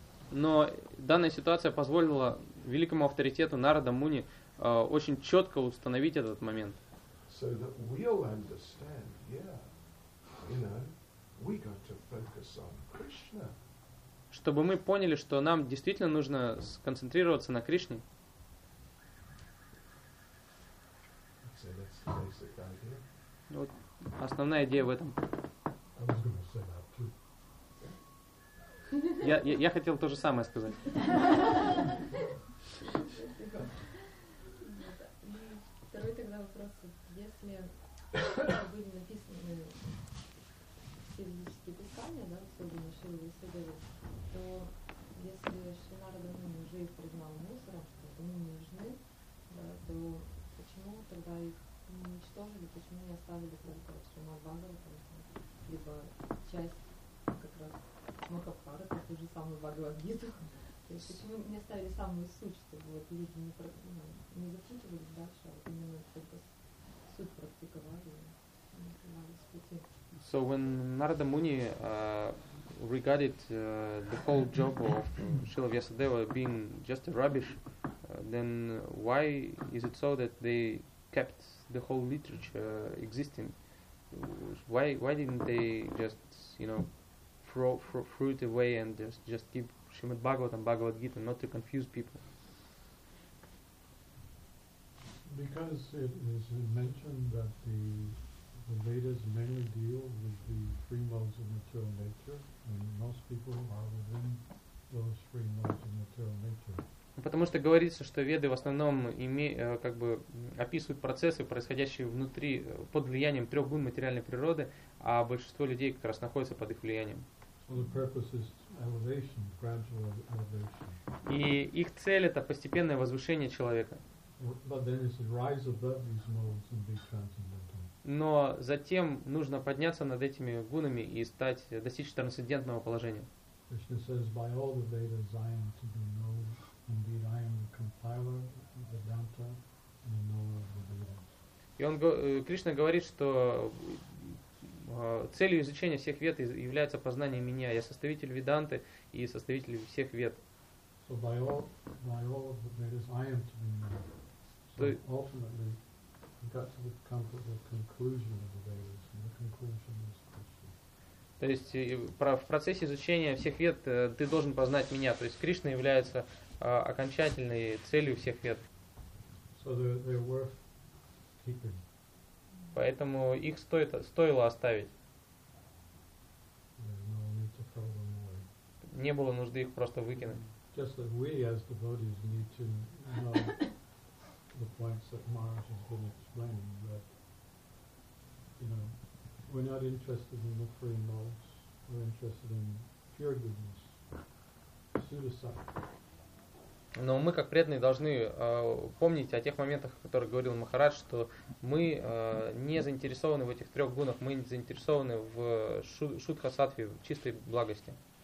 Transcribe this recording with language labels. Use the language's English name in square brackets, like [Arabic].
[Russian] Но данная ситуация позволила великому авторитету Нарада Муни очень четко установить этот момент. [English] So that we'll understand, yeah, you know, we got to focus on Krishna. [Russian] Чтобы мы поняли, что нам действительно нужно сконцентрироваться на Кришне. [English] So that's the basic idea. [Russian] Ну, вот основная идея в этом. [English] I was going to say that too. [Russian] Я хотел то же самое сказать. Второй тогда вопрос. Если были написаны физические писания, да, особенно Шрила Вьясадева, то если Шринарда Муни уже их признал мусором, что они не нужны, да, то почему тогда их не уничтожили, почему не оставили только Шримад Бхагаватам, либо часть как раз Махабхары, как ту же самую Бхагавад-гиту, то есть почему не оставили самую суть, чтобы вот люди не запутывались дальше, а вот именно только суть практиковали, занимались пути. [English] So when Narada Muni regarded the whole job of Srila Vyasadeva being just a rubbish, then why is it so that they kept the whole literature existing? Why didn't they just, you know, throw it away and just keep Shrimad Bhagavatam, Bhagavad Gita, not to confuse people. Because it is mentioned that the Vedas mainly deal with the three modes of material nature, and most people are within those three modes of material nature. [Russian] Потому что говорится, что веды в основном описывают процессы, происходящие внутри, под влиянием трех гун материальной природы, а большинство людей как раз находятся под их влиянием. [English] Well, the purpose is elevation, gradual elevation. [Russian] И их цель – это постепенное возвышение человека. [English] But then it's the rise above these modes and be transcendental. [Russian] Но затем нужно подняться над этими гунами и достичь трансцендентного положения. [English] Krishna says, by all the Vedas I am to be known. Indeed, I am the compiler, the Vedanta, and the knower of the Vedas. [Russian] И он Кришна говорит, что целью изучения всех вед является познание меня. Я составитель Веданты и составитель всех вед. [English] So by all of the Vedas, I am to be known. So ultimately, we got to the conclusion of the Vedas, and the conclusion is Krishna. [Russian] То есть в процессе изучения всех вед ты должен познать меня. То есть Кришна является окончательной целью всех вед. [English] So they're worth keeping. [Russian] Поэтому их стоило оставить. [English] There's no need to throw them away. [Russian] Не было нужды их просто выкинуть. [English] Just like we as devotees need to know the points that Maharaj has been explaining, that you know, we're not interested in the three modes, we're interested in pure goodness, suddhisattva. [Russian] Но мы, как преданные, должны помнить о тех моментах, о которых говорил Махарадж, что мы не заинтересованы в этих трех гунах, мы не заинтересованы в шудха-сатве, в чистой благости.